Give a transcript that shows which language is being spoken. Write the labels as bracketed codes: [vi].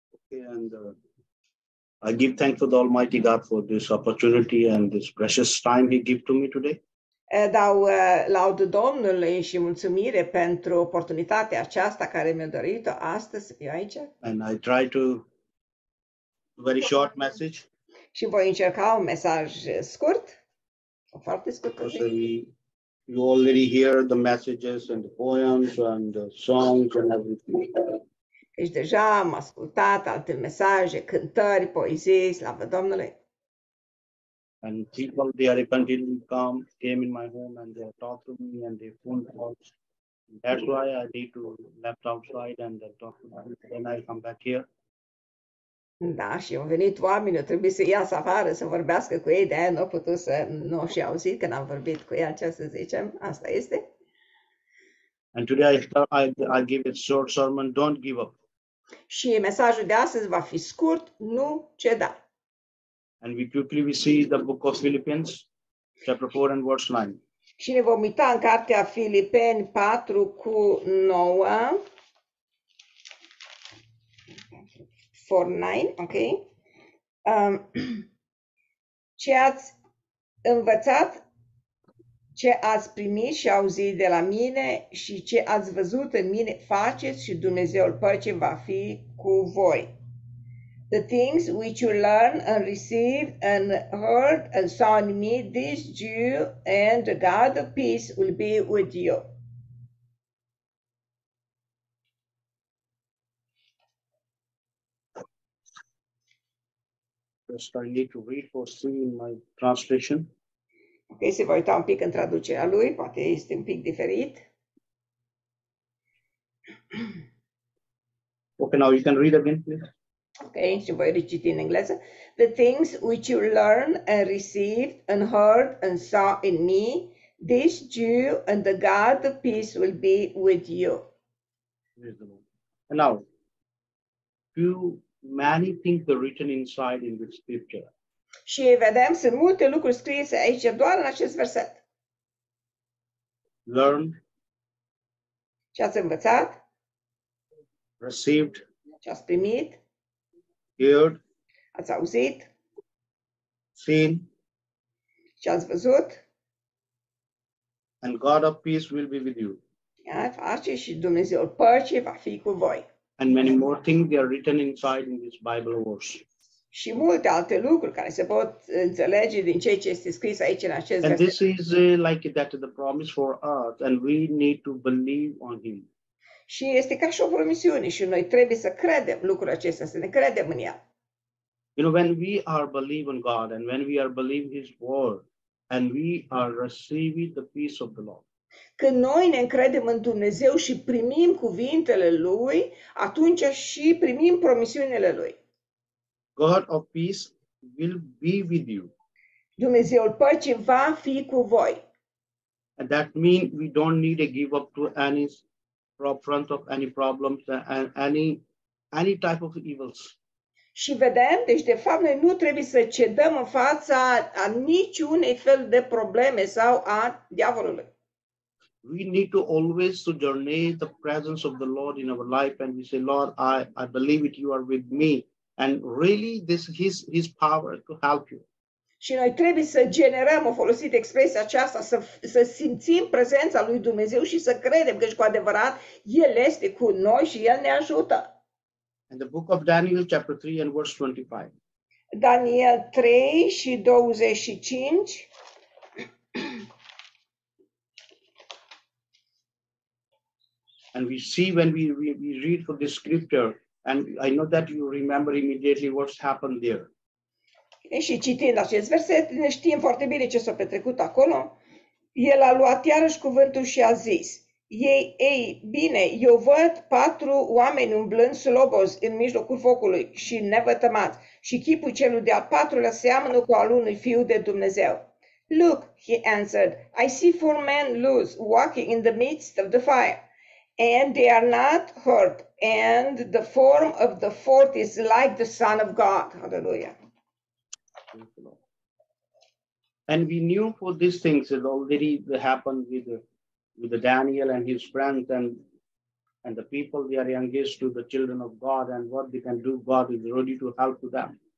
[en] And I give thanks to the Almighty God for this opportunity and this precious time He gives to me today. [ro] Dau laud Domnului și mulțumire pentru oportunitatea aceasta care mi-a dorit-o astăzi să fiu aici. [en] And I try to very short message. [ro] Și voi încerca un mesaj scurt, foarte scurt. [en] You already hear the messages and the poems and the songs and everything. [ro] Deci deja am ascultat alte mesaje, cântări, poezii, slavă Domnului. [en] And people, they are repentantly came in my home and they talked to me and they phoned calls. That's why I need to left outside and talk to them. Then I come back here. [ro] Da, și au venit oameni, au trebuit să iasă afară să vorbească cu ei, de-aia n-au putut să nu și auzit când am vorbit cu ei, ce să zicem, asta este. [en] And today I give a short sermon, don't give up. [ro] Și mesajul de astăzi va fi scurt, nu ceda. [en] And we quickly we see the book of Philippians, chapter 4 and verse 9. [ro] Și ne vom uita în cartea Filipeni 4 cu 9. [en] 4-9, ok. [ro] Ce ați învățat? Ce ați primit și auzit de la mine și ce ați văzut în mine, faceți și Dumnezeul păcii va fi cu voi. [en] The things which you learned and received and heard and saw in me, this do and the God of peace will be with you. Just I need to read or see in my translation. [ro] Ok, se va uita un pic în traducerea lui, poate este un pic diferit. [en] Ok, now you can read again, please. [ro] Ok, și voi reciti în engleză. [en] The things which you learned and received and heard and saw in me, this Jew and the God of peace will be with you. And now, do many things are written inside in this scripture? [ro] Și vedem, sunt multe lucruri scrise aici, doar în acest verset. [en] Learned. [ro] Ce ați învățat? [en] Received. [ro] Ce ați primit? [en] Heard. [ro] Ați auzit? [en] Seen. [ro] Ce ați văzut? [en] And God of peace will be with you. [ro] Ia, face și Dumnezeul păcii va fi cu voi. [en] And many more things are written inside in this Bible verse. [ro] Și multe alte lucruri care se pot înțelege din ceea ce este scris aici în acest verset. [en] And this is like that the promise for us and we need to believe on him. [ro] Și este ca și o promisiune și noi trebuie să credem lucrul acesta, să ne credem în el. [en] You know, when we are believe in God and when we are believe his word and we are receiving the peace of the Lord. [ro] Când noi ne încredem în Dumnezeu și primim cuvintele lui, atunci și primim promisiunile lui. [en] God of peace will be with you. [ro] Dumnezeul păcii va fi cu voi. [en] And that means we don't need to give up to any front of any problems and any type of evils. [ro] Și vedem, deci de fapt noi nu trebuie să cedăm în fața a niciunei fel de probleme sau a diavolului. [en] we need to always sojourn the presence of the Lord in our life, and we say, Lord, I believe it, you are with me, and really this is his power to help you. [ro] Și noi trebuie să generăm, o folosit expresia aceasta, să simțim prezența lui Dumnezeu și să credem că și cu adevărat El este cu noi și El ne ajută. [en] In the book of Daniel chapter 3 and verse 25. [ro] Daniel 3 și 25. [en] And we see when we read for the scripture, and I know that you remember immediately what's happened there. [ro] Și citind acest verset, ne știm foarte bine ce s-a petrecut acolo. El a luat iarăși cuvântul și a zis: Ei, bine, eu văd patru oameni umblând slobos în mijlocul focului și nevătămați, și chipul celui de-al patrulea seamănă cu al unui fiu de Dumnezeu. [en] Look, he answered, I see four men loose walking in the midst of the fire, and they are not hurt, and the form of the fourth is like the Son of God. Hallelujah. And we knew for these things that already happened with the Daniel and his friends and the people, they are youngest to the children of God, and what they can do, God is ready to help to them.